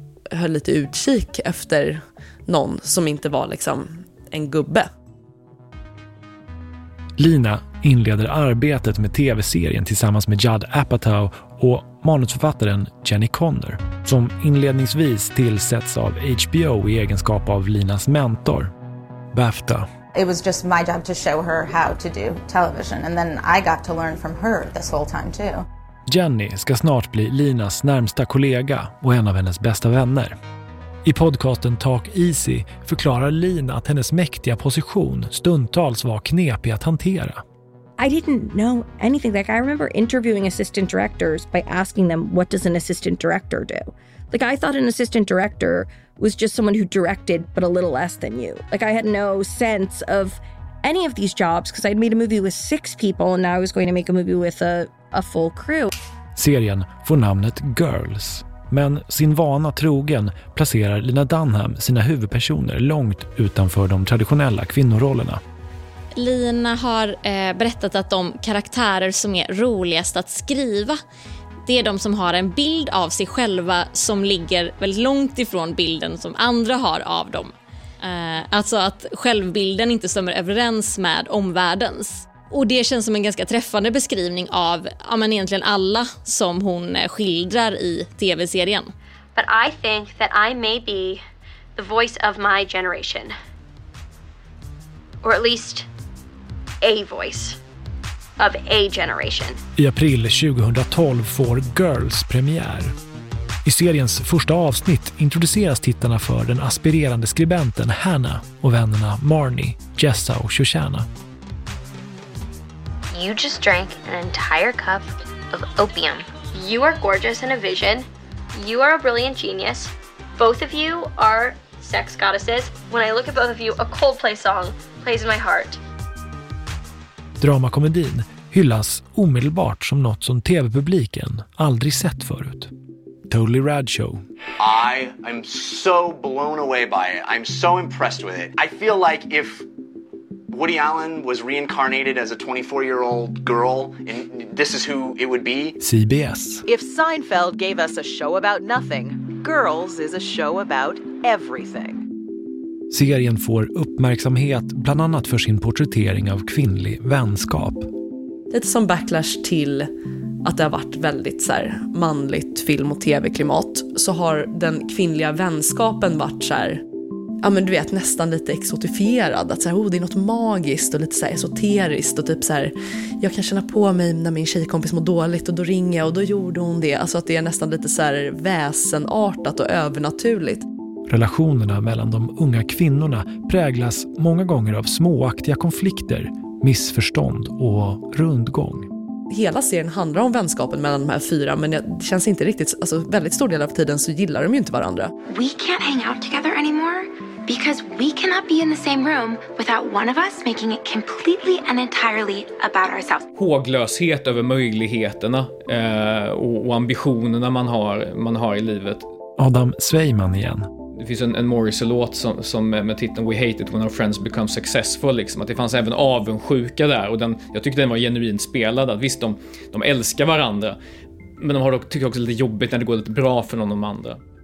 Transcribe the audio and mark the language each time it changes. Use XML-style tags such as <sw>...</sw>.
<sv>höll lite utkik efter någon som inte var liksom en gubbe. Lina inleder arbetet med tv-serien tillsammans med Judd Apatow och manusförfattaren Jenny Conner, som inledningsvis tillsätts av HBO i egenskap av Linas mentor, BAFTA.</sv> <en>It was just my job to show her how to do television and then I got to learn from her this whole time too.</en> <sv>Jenny ska snart bli Linas närmsta kollega och en av hennes bästa vänner. I podcasten Talk Easy förklarar Lina att hennes mäktiga position stundtals var knepig att hantera.</sv> <en>I didn't know anything. Like, I remember interviewing assistant directors by asking them, what does an assistant director do? Like, I thought an assistant director was just someone who directed but a little less than you. Like, I had no sense of any of these jobs because I'd made a movie with six people and now I was going to make a movie with a full crew.</en> <sv>Serien får namnet Girls, men sin vana trogen placerar Lina Dunham sina huvudpersoner långt utanför de traditionella kvinnorollerna. Lina har berättat att de karaktärer som är roligast att skriva, det är de som har en bild av sig själva som ligger väldigt långt ifrån bilden som andra har av dem. Alltså att självbilden inte stämmer överens med omvärldens. Och det känns som en ganska träffande beskrivning av ja, men egentligen alla som hon skildrar i tv-serien.</sv> <en>But I think that I may be the voice of my generation. Or at least a voice of a generation.</en> <sv>I april 2012 får Girls premiär. I seriens första avsnitt introduceras tittarna för den aspirerande skribenten Hannah och vännerna Marnie, Jessa och Shoshana.</sv> <en>You just drank an entire cup of opium. You are gorgeous in a vision. You are a brilliant genius. Both of you are sex goddesses. When I look at both of you, a Coldplay song plays in my heart.</en> <sv>Dramakomedin hyllas omedelbart som något som tv-publiken aldrig sett förut.</sv> <en>Totally Rad Show. I am so blown away by it. I'm so impressed with it. I feel like if Woody Allen was reincarnated as a 24-year-old girl, and this is who it would be. CBS. If Seinfeld gave us a show about nothing, Girls is a show about everything.</en> <sv>Serien får uppmärksamhet bland annat för sin porträttering av kvinnlig vänskap. Lite som backlash till att det har varit väldigt så här manligt film- och tv-klimat, så har den kvinnliga vänskapen varit så här, ja men du vet, nästan lite exotifierad, att så här, oh, det är något magiskt och lite så här esoteriskt och typ så här, jag kan känna på mig när min tjejkompis mår dåligt och då ringer jag och då gjorde hon det, alltså att det är nästan lite så här väsenartat och övernaturligt. Relationerna mellan de unga kvinnorna präglas många gånger av småaktiga konflikter, missförstånd och rundgång. Hela serien handlar om vänskapen mellan de här fyra, men det känns inte riktigt, alltså väldigt stor del av tiden så gillar de ju inte varandra.</sv> <en>We can't hang out together anymore because we cannot be in the same room without one of us making it completely and entirely about ourselves.</en> <sv>Håglöshet över möjligheterna och ambitionerna man har i livet. Adam Sveiman igen. Det finns en Morrissey-låt som med titeln We Hate It When Our Friends Become Successful, liksom, att det fanns även avundsjuka där, och den, jag tyckte den var genuint spelad, att visst de älskar varandra men de har dock, tycker också lite jobbigt när det går lite bra för någon av de andra.</sv>